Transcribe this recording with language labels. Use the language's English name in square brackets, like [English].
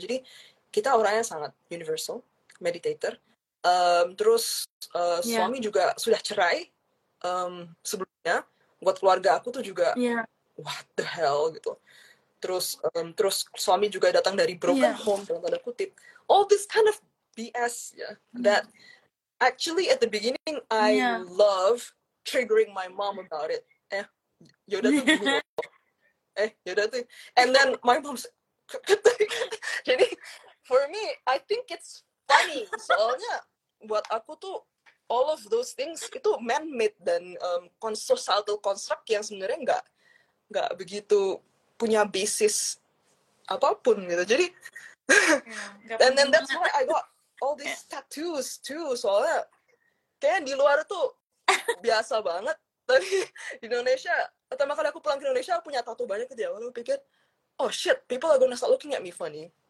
[Indonesian] Jadi kita orangnya sangat universal, meditator. Terus suami juga sudah cerai sebelumnya. Buat keluarga aku tuh juga [English] what the hell [Indonesian] gitu. Terus suami juga datang dari broken home dalam tanda kutip. [English] All this kind of BS ya that. Actually, at the beginning, I love triggering my mom about it. And then my mom said, [Indonesian] jadi, [English] for me, I think it's funny. [Indonesian] Soalnya, buat aku tuh, [English] all of those things [Indonesian] itu man-made dan [English] societal construct [Indonesian] yang sebenarnya nggak begitu punya basis apapun gitu. Jadi, [English] and then that's why I got all these tattoos too, [Indonesian] soalnya kayaknya di luar tuh biasa banget, tapi di Indonesia, pertama kali aku pulang ke Indonesia aku punya tattoo banyak gitu ya, lalu pikir [English] oh shit, people are gonna start looking at me funny.